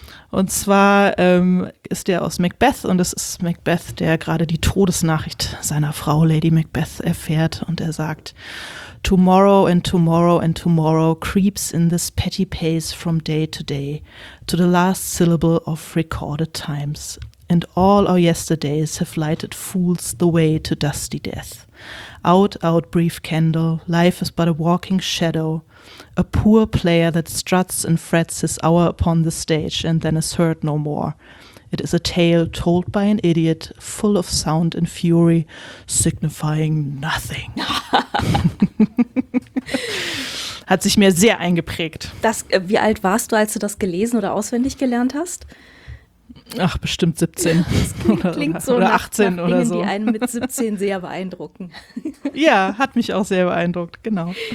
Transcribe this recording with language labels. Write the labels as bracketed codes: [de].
[de] Und zwar ist der aus Macbeth und es ist Macbeth, der gerade die Todesnachricht seiner Frau Lady Macbeth erfährt und er sagt: [en] Tomorrow and tomorrow and tomorrow creeps in this petty pace from day to day to the last syllable of recorded times. And all our yesterdays have lighted fools the way to dusty death. Out, out, brief candle, life is but a walking shadow, a poor player that struts and frets his hour upon the stage and then is heard no more. It is a tale told by an idiot, full of sound and fury, signifying nothing. [de] Hat sich mir sehr eingeprägt. Das, wie alt warst du, als du das gelesen oder auswendig gelernt hast? Ach, bestimmt 17. Klingt so oder 18 nach oder Dingen, so. Die einen mit 17 sehr beeindrucken. Ja, hat mich auch sehr beeindruckt, genau.